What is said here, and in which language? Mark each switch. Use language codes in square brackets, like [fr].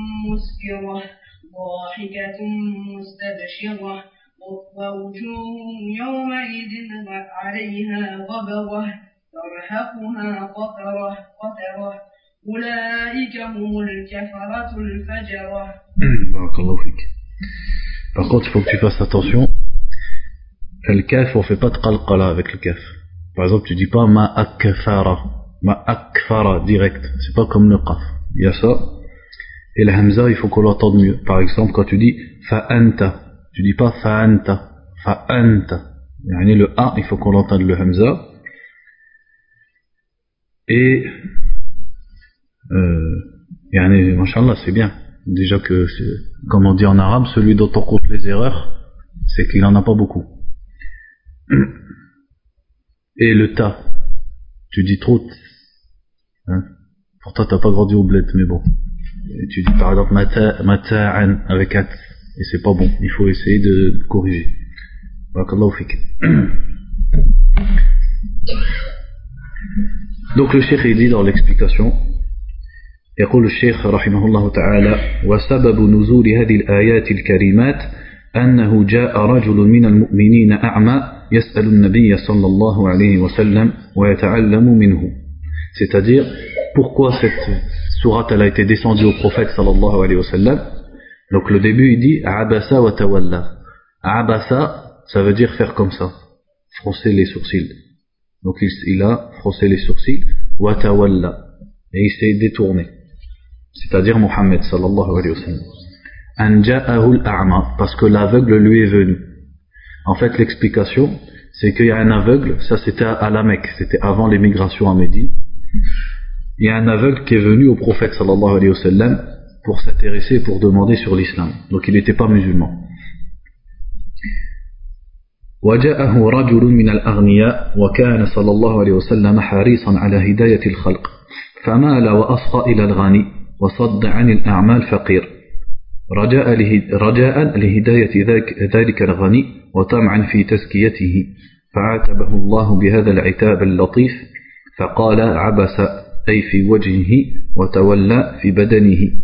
[ar] مسفرة ضاحكة مستبشرة ووجوه يومئذ عليها غبرة ترهقها قترة قترة أولئك هم الكفرة الفجرة. بارك الله فيك. [fr] Par contre, il faut que tu fasses attention. Le kaf, on ne fait pas de qalqala avec le kaf. Par exemple, tu ne dis pas ma akfara. Ma akfara direct. Ce n'est pas comme le qaf. Il y a ça. Et le hamza, il faut qu'on l'entende mieux. Par exemple, quand tu dis fa'anta, tu ne dis pas fa'anta. Fa'anta. Yani le a, il faut qu'on l'entende le hamza. Et. Yani, mashallah, c'est bien. Déjà que, comme on dit en arabe, celui dont on compte les erreurs, c'est qu'il n'en a pas beaucoup. Et le ta, tu dis trop. Hein? Pourtant, t'as pas grandi au bled, mais bon. Et tu dis par exemple mata'an avec at, et c'est pas bon, il faut essayer de corriger. [ar] Barakallahu fik. [fr] Donc le cheikh, il dit dans l'explication, [ar] يقول الشيخ رحمه الله تعالى: وسبب نزول هذه الآيات الكريمات أنه جاء رجل من المؤمنين أعمى يسأل النبي صلى الله عليه وسلم ويتعلم منه. [fr] C'est-à-dire, pourquoi cette sourate elle a été descendue au prophète sallallahu alayhi wa sallam? Donc le début il dit [ar] Abasa wa tawalla. [fr] Abasa, ça veut dire faire comme ça, froncer les sourcils. Donc il a froncé les sourcils, wa tawalla, et il s'est détourné. C'est-à-dire Muhammad sallallahu alayhi wa sallam. [ar] Anja'ahu al-a'ma, [fr] parce que l'aveugle lui est venu. En fait, l'explication, c'est qu'il y a un aveugle, ça c'était à la Mecque, c'était avant l'émigration à Médine. Il y a un aveugle qui est venu au prophète sallallahu alayhi wa sallam pour s'intéresser, pour demander sur l'islam. Donc il n'était pas musulman. [ar] وجاءه رجل من الأغنياء وكان صلى الله عليه وسلم حريصا على هداية الخلق فمال وأصغى إلى الغني وصد عن الأعمال فقير رجاء لهداية ذلك الغني وطمعا في تزكيته فعاتبه الله بهذا العتاب اللطيف فقال عبس أي في وجهه وتولى في بدنه